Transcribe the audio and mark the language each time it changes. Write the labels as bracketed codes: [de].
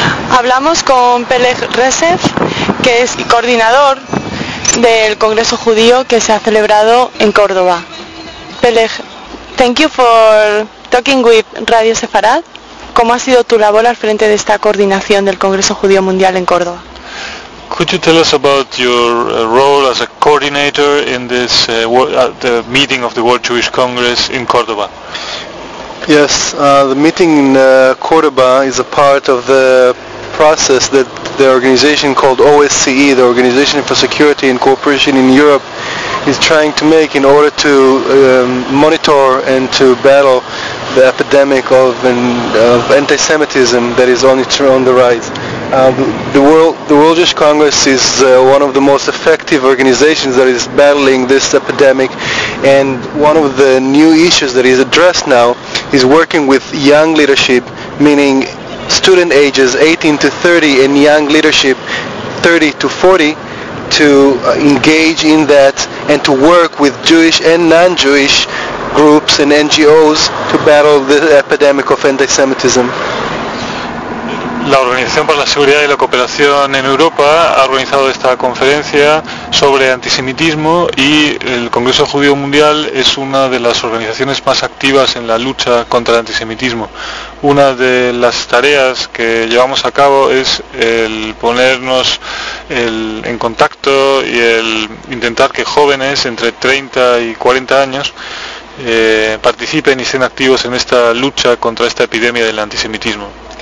[es] Hablamos con Peleg Reshef, que es coordinador del Congreso Judío que se ha celebrado en Córdoba. [en] Peleg, thank you for talking with Radio Sefarad. [es] ¿Cómo ha sido tu labor al frente de esta coordinación del Congreso Judío Mundial en Córdoba? [en] Could you tell us about your role as a coordinator in this the meeting of the World Jewish Congress in Córdoba? Yes, the meeting in Córdoba is a part of the process that the organization called OSCE, the Organization for Security and Cooperation in Europe, is trying to make in order to monitor and to battle the epidemic of anti-Semitism that is on the rise. The World Jewish Congress is one of the most effective organizations that is battling this epidemic, and one of the new issues that is addressed now is working with young leadership, meaning student ages 18 to 30 and young leadership 30 to 40, to engage in that and to work with Jewish and non-Jewish groups and NGOs to battle the epidemic of anti-Semitism. [es] La Organización para la Seguridad y la Cooperación en Europa ha organizado esta conferencia sobre antisemitismo y el Congreso Judío Mundial es una de las organizaciones más activas en la lucha contra el antisemitismo. Una de las tareas que llevamos a cabo es el ponernos en contacto y el intentar que jóvenes entre 30 y 40 años participen y estén activos en esta lucha contra esta epidemia del antisemitismo.